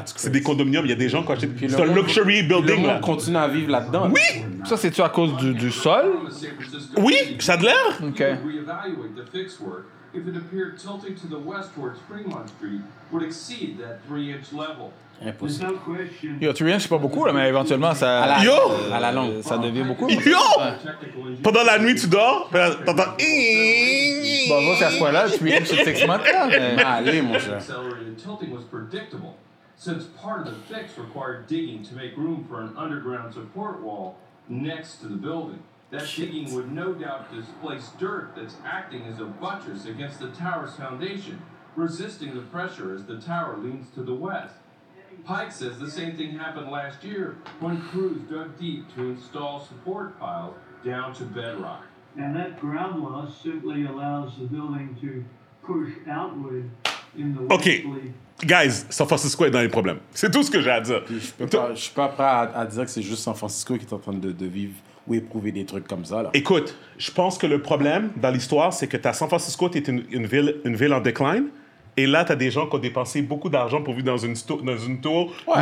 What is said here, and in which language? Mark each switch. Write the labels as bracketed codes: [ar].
[en] That's crazy. [fr] C'est des condominiums, il y a des gens qui achètent... C'est un luxury building. Le monde continue à vivre là-dedans. Oui! Ça, c'est-tu à cause du sol? Oui, ça a de l'air. [en] OK. We reevaluate the fix work. If it appeared tilting to the west towards Fremont Street, would exceed that 3-inch level. Impossible. [fr] Yo, 3 inches, c'est pas beaucoup, là, mais éventuellement, ça... Yo! À la longue, ça devient beaucoup. Yo! Ouais. Pendant la nuit, tu dors, puis t'entends... Bon, c'est à ce point-là, 3 inches, c'est 6 mois. Allez, mon cher. [en] Tilting was predictable, since part of the fix required digging to make room for an underground support wall next to the building. That digging would no doubt displace dirt that's acting as a buttress against the tower's foundation, resisting the pressure as the tower leans to the west. Pike says the same thing happened last year when crews dug deep to install support piles down to bedrock. And that ground loss simply allows the building to push outward in the westerly. [fr] Guys, San Francisco est dans les problèmes. C'est tout ce que j'ai à dire. Je suis pas prêt à dire que c'est juste San Francisco qui est en train de vivre ou éprouver des trucs comme ça. Là. Écoute, je pense que le problème dans l'histoire, c'est que t'as San Francisco, t'es une ville en décline, et là, t'as des gens qui ont dépensé beaucoup d'argent pour vivre dans une tour ouais.